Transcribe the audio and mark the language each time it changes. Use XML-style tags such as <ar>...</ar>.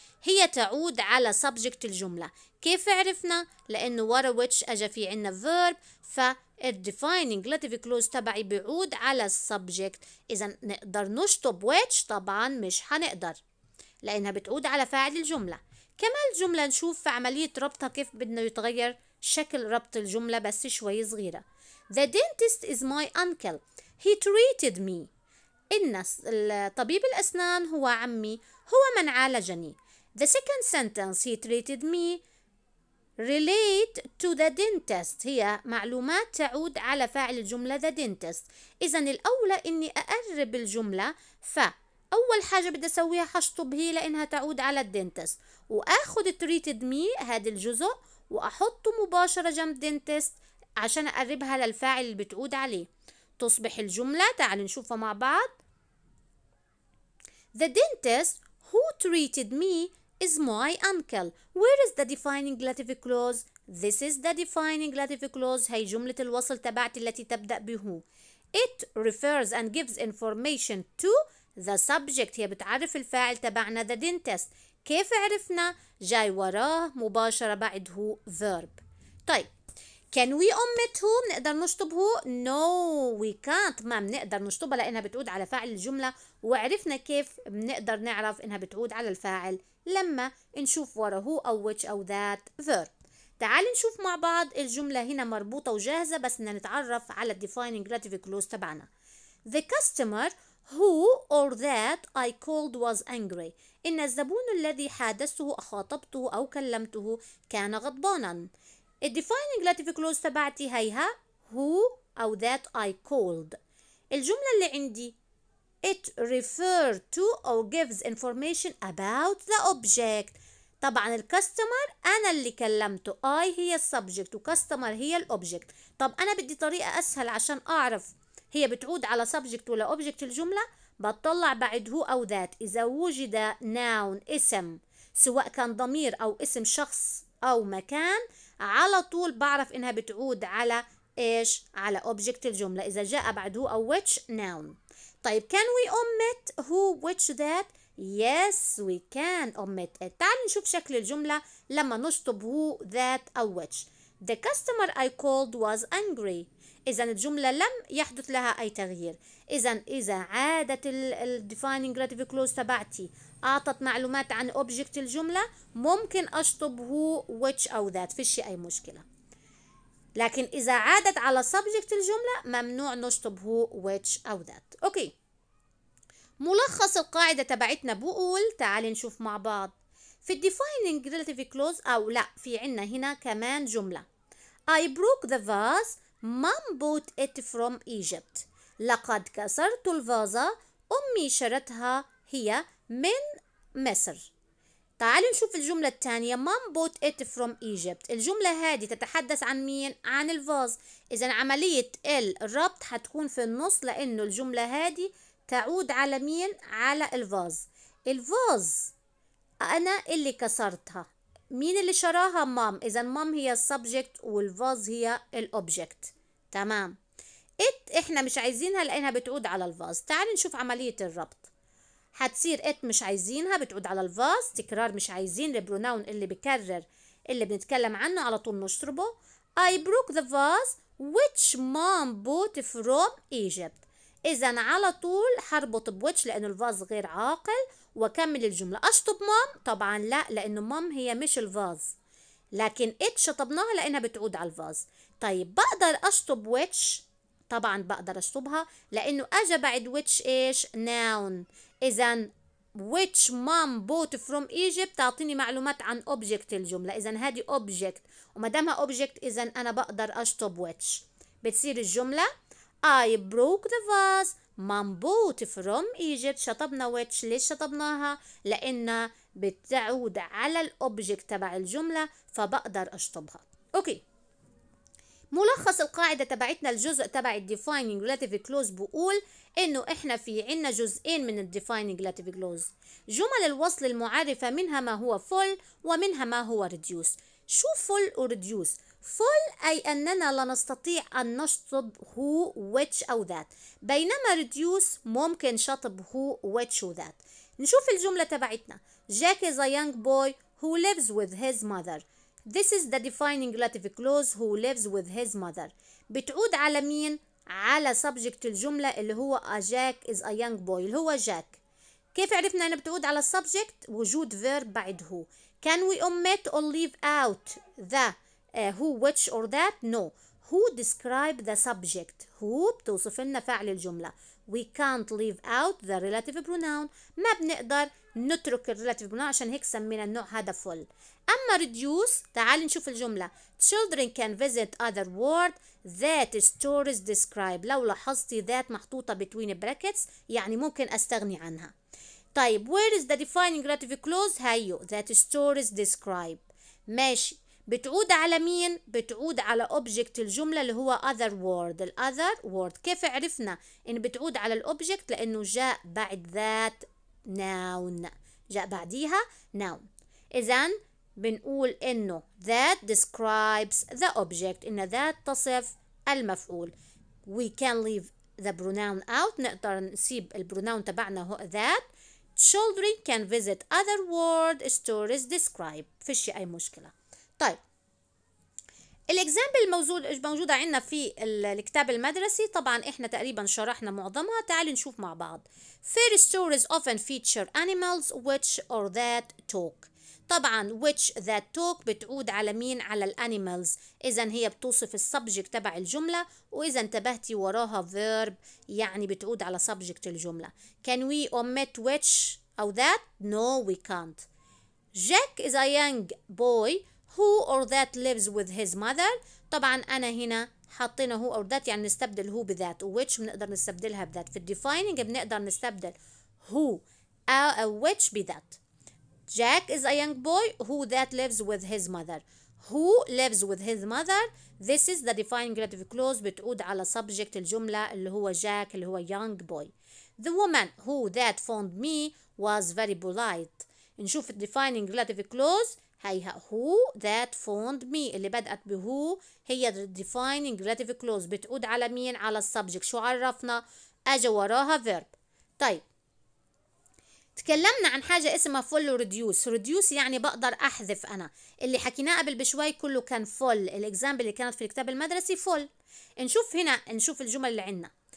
<ar>هي تعود على subject الجملة. كيف عرفنا؟ لأنه ورا which أجا في عنا verb، فالdefining relative clause تبعي بيعود على subject. إذا نقدر نشطب which؟ طبعا مش هنقدر لأنها بتعود على فاعل الجملة. كمان الجملة نشوف في عملية ربطها كيف بدنا يتغير شكل ربط الجملة بس شوي صغيرة.</ar> <en>The dentist is my uncle. He treated me.</en> <ar>إن طبيب الأسنان هو عمي، هو من عالجني.</ar> <en>The second sentence, he treated me, relate to the dentist.</en> <ar>هي معلومات تعود على فاعل الجملة the dentist. إذن الأولى إني أقرب الجملة، فأول حاجة بدي أسويها حشطب هي لأنها تعود على الدنتست، وأخذ</ar> <en>treated me</en> <ar>هذا الجزء وأحطه مباشرة جنب dentist عشان أقربها للفاعل اللي بتعود عليه. تصبح الجملة، تعال نشوفها مع بعض.</ar> <en>The dentist who treated me is my uncle. Where is the defining relative clause? This is the defining relative clause.</en> <ar>هي جملة الوصل تبعتي التي تبدأ به.</ar> <en>It refers and gives information to the subject.</en> <ar>هي بتعرف الفاعل تبعنا the dentist. كيف عرفنا؟ جاي وراه مباشرة بعد هو verb. طيب</ar> <en>Can we omit who؟</en> <ar>بنقدر نشطب</ar> <en>who؟ No, we can't.</en> <ar>ما بنقدر نشطبها لأنها بتعود على فاعل الجملة، وعرفنا كيف بنقدر نعرف إنها بتعود على الفاعل لما نشوف ورا who أو which أو that verb. تعال نشوف مع بعض الجملة هنا مربوطة وجاهزة، بس بدنا نتعرف على defining relative clause تبعنا.</ar> <en>The customer who or that I called was angry.</en> <ar>إن الزبون الذي حادثته أخاطبته أو كلمته كان غضباناً.</ar> <en>الديفايننج relative clause</en> <ar>تبعتي هيها</ar> <en>هو او ذات اي كولد.</en> <ar>الجمله اللي عندي</ar> <en>ات ريفير تو او جيفز انفورميشن اباوت ذا اوبجكت.</en> <ar>طبعا الكاستمر انا اللي كلمته، اي هي السبجكت وكاستمر هي الاوبجكت. طب انا بدي طريقه اسهل عشان اعرف هي بتعود على سبجكت ولا اوبجكت الجمله، بتطلع بعد هو او ذات اذا وجد ناون اسم سواء كان ضمير او اسم شخص او مكان، على طول بعرف إنها بتعود على إيش؟ على object الجملة إذا جاء بعده أو which noun.</ar> <en>طيب can we omit who, which, that? Yes, we can omit it.</en> <ar>تعال نشوف شكل الجملة لما نشطب who, that, أو which.</ar> <en>The customer I called was angry.</en> <ar>إذن الجملة لم يحدث لها أي تغيير. إذا عادت الـ defining relative clause تبعتي أعطت معلومات عن object الجملة، ممكن أشطب who, which أو that، فيش أي مشكلة. لكن إذا عادت على subject الجملة ممنوع نشطب who, which أو that. أوكي. ملخص القاعدة تبعتنا بقول، تعال نشوف مع بعض. في defining relative clause أو لا، في عنا هنا كمان جملة.</ar> <en>I broke the vase. Mom bought it from Egypt.</en> <ar>لقد كسرت الفازة، أمي شرتها هي من مصر. تعال نشوف الجملة الثانية.</ar> <en>Mom bought it from Egypt.</en> <ar>الجملة هذه تتحدث عن مين؟ عن الفاز. إذا عملية الربط هتكون في النص لأنه الجملة هذه تعود على مين؟ على الفاز. الفاز أنا اللي كسرتها. مين اللي شراها؟ مام. إذا مام هي السبجكت والفاز هي الأوبجكت. تمام. إت إحنا مش عايزينها لأنها بتعود على الفاز. تعال نشوف عملية الربط. هتصير إت مش عايزينها بتعود على الفاز. تكرار مش عايزين البروناون اللي بكرر اللي بنتكلم عنه على طول نشربه.</ar> <en>I broke the vase which mom bought from Egypt.</en> <ar>إذا على طول حربط بويتش لأنه الفاز غير عاقل، وكمل الجملة. أشطب مام؟ طبعا لا، لأنه مام هي مش الفاز. لكن إتش شطبناها لأنها بتعود على الفاز. طيب بقدر أشطب ويتش؟ طبعا بقدر أشطبها لأنه أجا بعد ويتش إيش؟ ناون. إذن</ar> <en>which mom bought from Egypt</en> <ar>تعطيني معلومات عن object الجملة. إذن هذه object ومدامها object إذن أنا بقدر أشطب which. بتصير الجملة</ar> <en>I broke the vase mom bought from Egypt.</en> <ar>شطبنا which. ليش شطبناها؟ لأنها بتعود على الobject تبع الجملة فبقدر أشطبها. أوكي. ملخص القاعدة تبعتنا الجزء تبع defining relative clause بقول إنه إحنا في عنا جزئين من الـ Defining Relative Clause. جمل الوصل المعرفة منها ما هو Full ومنها ما هو Reduce. شو Full و Reduce؟ Full أي أننا لا نستطيع أن نشطب Who, Which أو That، بينما Reduce ممكن شطب Who, Which أو That. نشوف الجملة تبعتنا.</ar> <en>Jack is a young boy who lives with his mother. This is the Defining Relative Clause who lives with his mother.</en> <ar>بتعود على مين؟ على subject الجملة اللي هو Jack is a young boy اللي هو Jack. كيف عرفنا أنه بتعود على subject؟ وجود verb بعد who.</ar> <en>Can we omit or leave out the who, which or that? No. Who describe the subject?</en> <ar>Who بتوصف لنا فعل الجملة.</ar> <en>We can't leave out the relative pronoun.</en> <ar>ما بنقدر نترك ال relative pronoun عشان هيك سمينا النوع هذا full. أما reduce تعال نشوف الجملة.</ar> <en>Children can visit other world that stories describe.</en> <ar>لو لاحظتي that محطوطة between brackets يعني ممكن أستغني عنها. طيب</ar> <en>where is the defining relative clause؟</en> <ar>هيو</ar> <en>that stories describe.</en> <ar>ماشي بتعود على مين؟ بتعود على object الجملة اللي هو other world. ال other world كيف عرفنا إن بتعود على الobject؟ لأنه جاء بعد that noun، جاء بعديها noun. إذن بنقول إنه</ar> <en>that describes the object،</en> <ar>إن that تصف المفعول.</ar> <en>We can leave the pronoun out،</en> <ar>نقدر نسيب البرونون تبعنا هو</ar> <en>that. Children can visit other world stories describe،</en> <ar>فيش أي مشكلة. طيب الإجزامبل الموجود عندنا في الكتاب المدرسي طبعا إحنا تقريبا شرحنا معظمها، تعالي نشوف مع بعض.</ar> <en>Fair stories often feature animals which or that talk.</en> <ar>طبعا which that talk بتعود على مين؟ على الانيمالز. اذا هي بتوصف السبجكت تبع الجمله، واذا انتبهتي وراها فيرب يعني بتعود على سبجكت الجمله.</ar> <en>Can we omit which or that? No we can't. Jack is a young boy who or that lives with his mother.</en> <ar>طبعا انا هنا حطينا who or that يعني نستبدل who بذات، which بنقدر نستبدلها بذات. في الديفايننج بنقدر نستبدل who او which بذات.</ar> <en>Jack is a young boy who that lives with his mother. Who lives with his mother? This is the defining relative clause</en> <ar>بتعود على</ar> <en>subject</en> <ar>الجملة اللي هو</ar> <en>Jack</en> <ar>اللي هو</ar> <en>young boy. The woman who that phoned me was very polite.</en> <ar>نشوف defining relative clause هيها</ar> <en>who that phoned me</en> <ar>اللي بدأت ب who هي defining relative clause بتعود على مين؟ على subject. شو عرفنا؟ أجا وراها verb. طيب تكلمنا عن حاجة اسمها full و reduce. reduce يعني بقدر أحذف أنا. اللي حكيناه قبل بشوي كله كان full. الإجزامبل اللي كانت في الكتاب المدرسي full. نشوف هنا، نشوف الجمل اللي عنا.</ar>